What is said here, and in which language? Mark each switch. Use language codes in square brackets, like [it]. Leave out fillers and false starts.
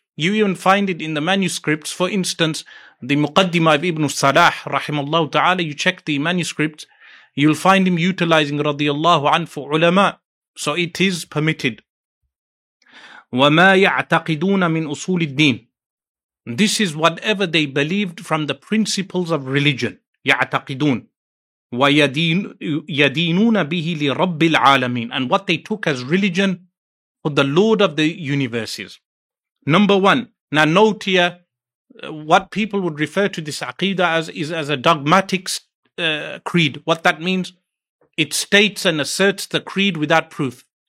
[en] You even find it in the manuscripts. For instance, the Muqaddimah of Ibn Salah, rahimahullah ta'ala, you check the manuscripts, you'll find him utilizing radiyallahu an for ulama. So it is permitted. [ar] وَمَا يَعْتَقِدُونَ مِنْ أُصُولِ الدِّينِ. [en] This is whatever they believed from the principles of religion. [ar] يعتقدون ويدينون به لرب العالمين. [en] And what they took as religion for the Lord of the universes. Number one. Now note here, what people would refer to this aqidah as is as a dogmatic creed. What that means, it states and asserts the creed without proof.